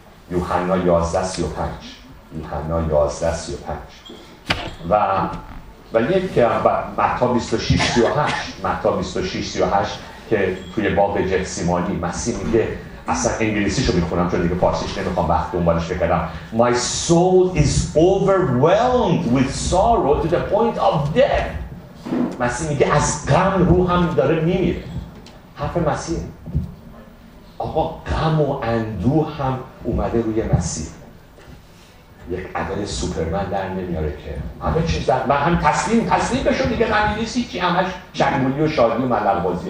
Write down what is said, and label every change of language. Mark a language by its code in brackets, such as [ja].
[fa] یوحنا 11:35. یوحنا 11:35. و یک متی 26:38. متی 26:38 که توی باب جتسیمانی مسیح میگه، اصلا انگلیسیشو میخونم چون دیگه فارسیش نمیخوام وقت دنبالش بکنم. [en] My soul is overwhelmed with sorrow to the point of death. [fa] مسیح میگه از غم روحم داره میمیره. حرف مسیح. آقا غم و اندوه هم اومده روی مسیح. یک عدد سوپرمن در نمیاره که همه چیز در من هم تسلیم بشو دیگه، غمی نیستی که همش شنگولی و شادی و ملغبازی.